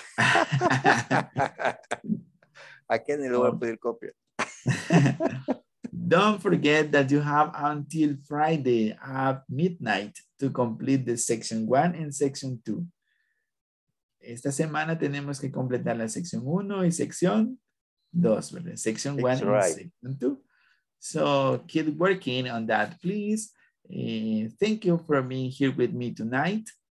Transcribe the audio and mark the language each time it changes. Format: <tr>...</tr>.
<es>¿A qué ni le voy a pedir copia?</es> <en>Don't forget that you have until Friday at midnight to complete the section 1 and section 2.</en> <es>Esta semana tenemos que completar la sección 1 y sección 2, ¿verdad?</es> <en>Section 1 and section 2. So keep working on that, please. Thank you for being here with me tonight.</en>